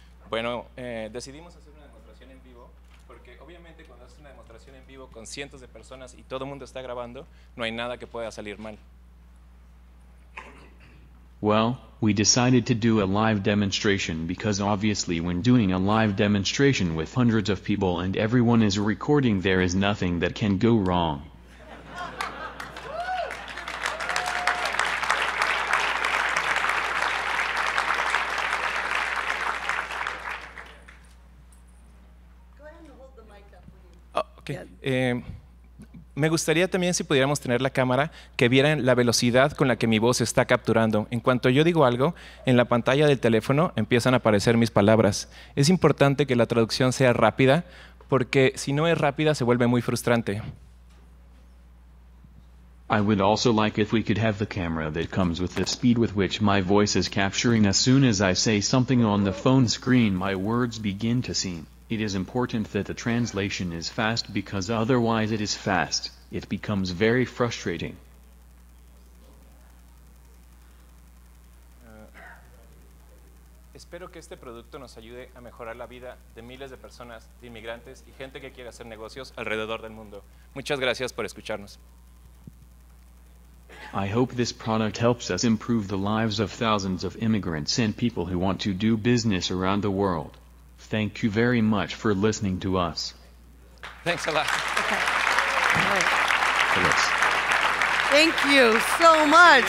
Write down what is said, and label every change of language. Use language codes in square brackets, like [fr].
[es] Bueno, decidimos hacer una demostración en vivo porque obviamente cuando haces una demostración en vivo con cientos de personas y todo el mundo está grabando, no hay nada que pueda salir mal. [en] Well, we decided to do a live demonstration because obviously when doing a live demonstration with hundreds of people and everyone is recording, there is nothing that can go wrong. Go ahead and hold the mic up, please. Oh, okay. Yeah. [es] Me gustaría también si pudiéramos tener la cámara que vieran la velocidad con la que mi voz está capturando. En cuanto yo digo algo, en la pantalla del teléfono empiezan a aparecer mis palabras. Es importante que la traducción sea rápida, porque si no es rápida se vuelve muy frustrante. [en] I would also like if we could have the camera that comes with the speed with which my voice is capturing. As soon as I say something on the phone screen, my words begin to seem. It is important that the translation is fast, because otherwise it is fast. It becomes very frustrating. [es] Espero que este producto nos ayude a mejorar la vida de miles de personas, de inmigrantes y gente que quiere hacer negocios alrededor del mundo. Muchas gracias por escucharnos. [en] I hope this product helps us improve the lives of thousands of immigrants and people who want to do business around the world. Thank you very much for listening to us. Thanks a lot. Okay. All right. Thank you so much.